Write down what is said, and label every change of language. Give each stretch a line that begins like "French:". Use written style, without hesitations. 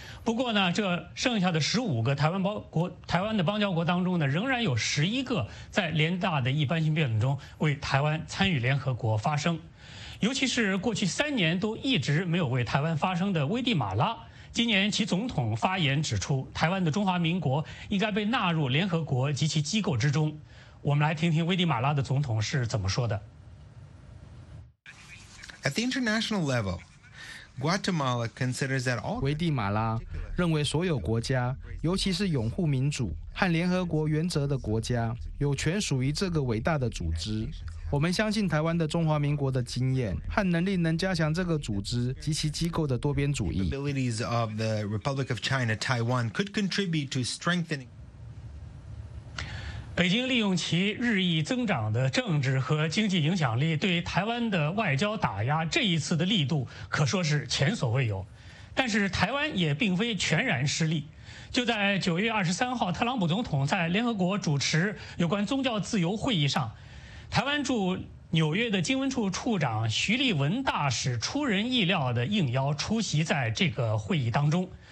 Chinese: 不过呢，这剩下的15个台湾的邦交国当中呢，仍然有11个在联大的一般性辩论中为台湾参与联合国发声。尤其是过去3年都一直没有为台湾发声的危地马拉，今年其总统发言指出，台湾的中华民国应该被纳入联合国及其机构之中。我们来听听危地马拉的总统是怎么说的。
English: At the international level, Guatemala considers that all
Chinese: 危地马拉认为所有国家，尤其是拥护民主和联合国原则的国家，有权属于这个伟大的组织。我们相信台湾的中华民国的经验和能力能加强这个组织及其机构的多边主义。
English: Abilities of the Republic of China, Taiwan could contribute to strengthening.
Chinese: 北京利用其日益增长的政治和经济影响力对台湾的外交打压，这一次的力度可说是前所未有。但是台湾也并非全然失利。就在9月23号，特朗普总统在联合国主持有关宗教自由会议上，台湾驻纽约的经文处处长徐立文大使出人意料的应邀出席在这个会议当中。